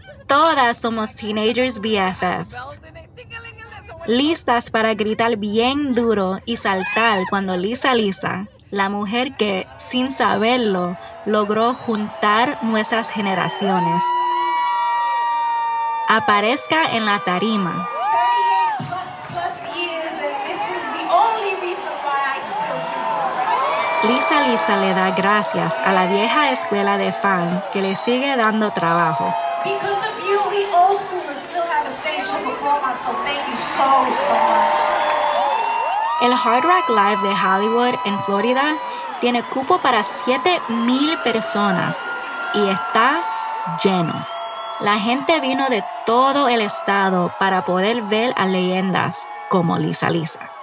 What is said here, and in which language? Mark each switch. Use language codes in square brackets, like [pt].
[es] Todas somos [en] teenagers BFFs, [es] listas para gritar bien duro y saltar cuando Lisa Lisa, la mujer que, sin saberlo, logró juntar nuestras generaciones, aparezca en la tarima. [en] 38+ years, and this is the only reason why I still do this. [es] Lisa Lisa le da gracias a la vieja escuela de fans que le sigue dando trabajo. [en] Because of you, we old schoolers still have a stage to perform on, so thank you so, so much. [es] El Hard Rock Live de Hollywood en Florida tiene cupo para 7,000 personas y está lleno. La gente vino de todo el estado para poder ver a leyendas como Lisa Lisa.